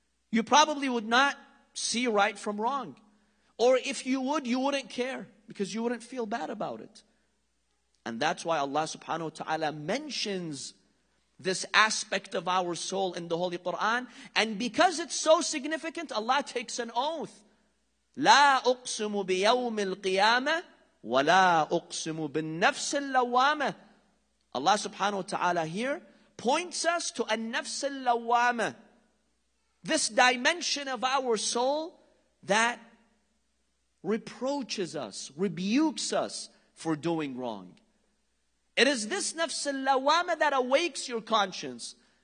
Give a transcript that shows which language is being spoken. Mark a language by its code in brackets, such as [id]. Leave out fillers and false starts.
[en] You probably would not see right from wrong. Or if you would, you wouldn't care because you wouldn't feel bad about it. And that's why Allah subhanahu wa ta'ala mentions this aspect of our soul in the Holy Quran. And because it's so significant, Allah takes an oath. [ar] لا أقسم بيوم القيامة ولا أقسم بالنفس اللوامة. [en] Allah subhanahu wa ta'ala here points us to an-nafs al-lawwamah, this dimension of our soul that reproaches us, rebukes us for doing wrong. It is this nafs al-lawwamah that awakes your conscience.